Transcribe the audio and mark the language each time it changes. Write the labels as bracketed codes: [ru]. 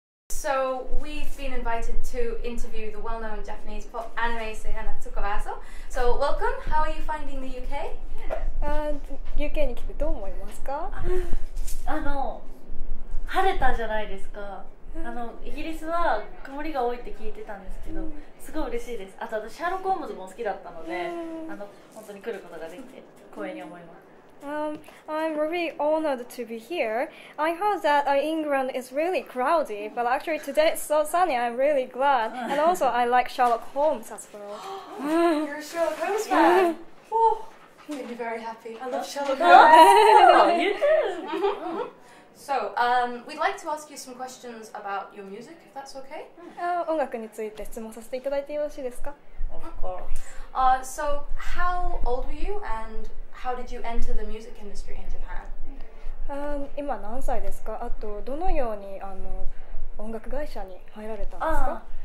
[en] So we've been invited to interview the well-known Japanese pop anime singer Natsuko Aso. So welcome. How are you finding the UK? [ja] UK に来てどう思いますか？あの、晴れたじゃないですか。あのイギリスは曇りが多いって聞いてたんですけど、すごい嬉しいです。あと私シャーロック・ホームズも好きだったので、あの本当に来ることができて光栄に思います。 [en] I'm really honored to be here. I heard that England is really crowded, but actually today it's so sunny. I'm really glad. And also, I like Sherlock Holmes as well. You're a Sherlock Holmes fan? Yeah. Oh, you made me very happy. I love Sherlock Holmes. You too! So, we'd like to ask you some questions about your music, if that's okay. [ja] 音楽について質問させていただいてよろしいですか? [en] Of course. So, how old were you and... How did you enter the music industry in Japan? [ja] 今何歳ですか？あとどのようにあの音楽会社に入られたんですか？